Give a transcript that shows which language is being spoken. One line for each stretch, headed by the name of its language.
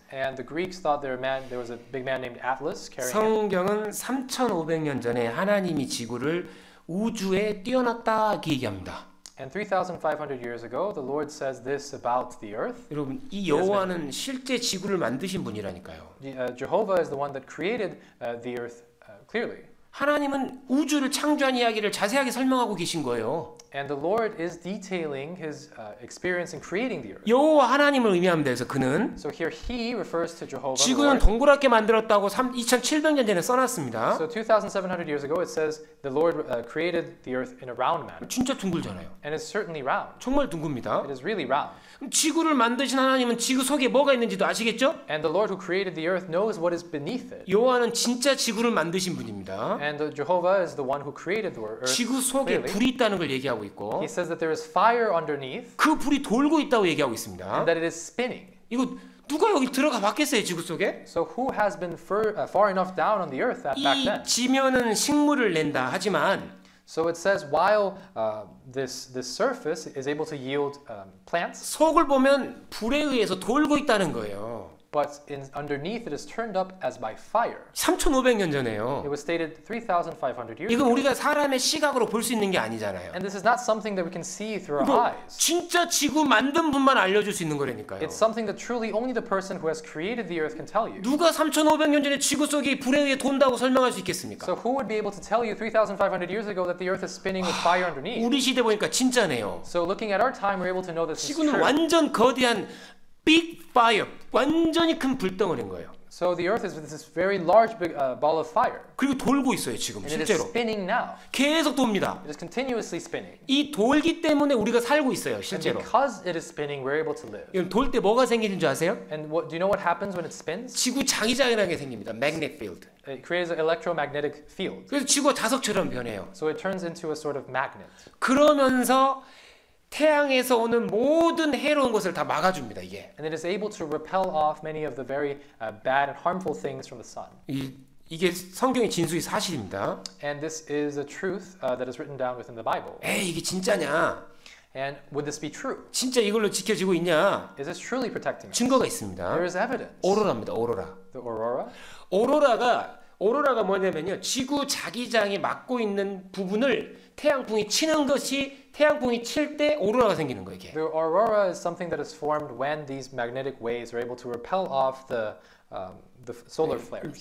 English: And the Greeks thought there was a big man named Atlas carrying.
Korean: 성경은 3,500년 전에 하나님이 지구를 우주에 띄어놨다 얘기합니다.
English: And 3,500 years ago, the Lord says this about the earth.
Korean: 여러분, 이 여호와는 실제 지구를 만드신 분이라니까요.
English: Jehovah is the one that created the earth clearly.
Korean: 하나님은 우주를 창조한 이야기를 자세하게 설명하고 계신 거예요.
English: And the Lord is detailing his experience in creating the earth.
Korean: 여호와 하나님을 의미하면 돼서 그는
English: So here he refers to Jehovah.
Korean: 지구는 동그랗게 만들었다고 2700년 전에 써 놨습니다.
English: So 2700 years ago it says the Lord created the earth in a round manner.
Korean: 진짜 둥글잖아요.
English: And it's certainly round.
Korean: 정말 둥굽니다.
English: It is really round.
Korean: 지구를 만드신 하나님은 지구 속에 뭐가 있는지도 아시겠죠?
English: And the Lord who created the earth knows what is beneath it.
Korean: 여호와는 진짜 지구를 만드신 분입니다.
English: And Jehovah is the one who created the earth.
Korean: 지구 속에
English: clearly.
Korean: 불이 있다는 걸 얘기하고 있고.
English: He says that there is fire underneath.
Korean: 그 불이 돌고 있다고 얘기하고 있습니다.
English: And that it is spinning.
Korean: 이거 누가 여기 들어가 봤겠어요, 지구 속에?
English: So who has been far enough down on the earth back then?
Korean: 이 지면은 식물을 낸다 하지만
English: So it says while this surface is able to yield plants.
Korean: 속을 보면 불에 의해서 돌고 있다는 거예요.
English: But underneath it is turned up as by fire.
Korean: 3,500년 전에요.
English: It was stated 3,500 years.
Korean: 이건 우리가 사람의 시각으로 볼 수 있는 게 아니잖아요.
English: And this is not something that we can see through our eyes.
Korean: 진짜 지구 만든 분만 알려줄 수 있는 거라니까요.
English: It's something that truly only the person who has created the earth can tell you.
Korean: 누가 3,500년 전에 지구 속이 불에 의해 돈다고 설명할 수 있겠습니까?
English: So who would be able to tell you 3,500 years ago that the earth is spinning with fire underneath?
Korean: 우리 시대 보니까 진짜네요.
English: So looking at our time, we're able to know this is true.
Korean: 지구는 완전 거대한
English: big fire
Korean: 완전히 큰 불덩어리인 거예요.
English: So the earth is this very large big ball of fire.
Korean: 그리고 돌고 있어요, 지금
English: And
Korean: 실제로.
English: It is spinning now.
Korean: 계속 돕니다.
English: It is continuously spinning.
Korean: 이 돌기 때문에 우리가 살고 있어요, 실제로.
English: And because it is spinning we're able to live.
Korean: 이건 돌 때 뭐가 생기는 줄 아세요?
English: And what do you know what happens when it spins?
Korean: 지구 장기자랑이 생깁니다.
English: Magnetic field. It creates an electromagnetic field.
Korean: 그래서 지구가 자석처럼 변해요.
English: So it turns into a sort of magnet.
Korean: 그러면서 태양에서 오는 모든 해로운 것을 다 막아줍니다. 이게.
English: And it is able to repel off many of the very bad and harmful things from the sun.
Korean: 이게 성경의 진수의 사실입니다.
English: And this is a truth that is written down within the Bible.
Korean: 에이, 이게 진짜냐?
English: And would this be true?
Korean: 진짜 이걸로 지켜지고 있냐?
English: Is this truly protecting us?
Korean: 증거가 있습니다.
English: There is evidence.
Korean: 오로라입니다. 오로라.
English: The aurora.
Korean: 오로라가 뭐냐면요. 지구 자기장이 막고 있는 부분을 태양풍이 치는 것이 태양풍이 칠 때 오로라가 생기는 거예요, 이게.
English: The aurora is something that is formed when these magnetic waves are able to repel off the solar flares.